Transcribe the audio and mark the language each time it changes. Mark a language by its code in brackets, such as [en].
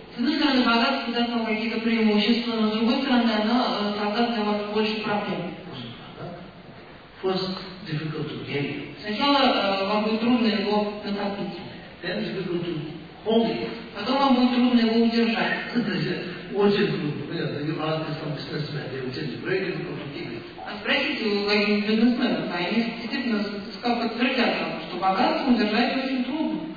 [ru] С одной стороны, богатство даст вам какие-то преимущества, но с другой стороны, оно создаст для вас больше проблем. [en] First, difficult to gain. [ru] Сначала вам будет трудно его накопить. [en] Then difficult to hold it. [ru] Потом вам будет трудно его удержать. Очень трудно. Понятно, [en] you ask some businessmen, they will tell you very difficult to keep it. [ru] А спросите у каких-нибудь бизнесменов, а они действительно подтвердят вам, что богатство удержать очень трудно.